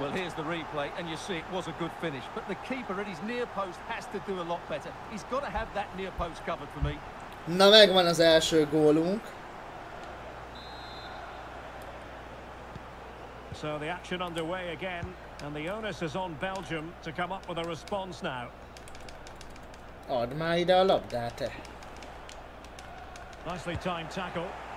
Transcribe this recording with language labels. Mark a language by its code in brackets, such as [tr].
[en] Well, here's the replay, and you see it was a good finish. But the keeper at his near post has to do a lot better. He's got to have that near post covered for me. [hu] Na, megvan az első gólunk. [en] So the action underway again, and the onus is on Belgium to come up with a response now. [hu] Add már ide a labdát, te. [en] Nicely timed tackle.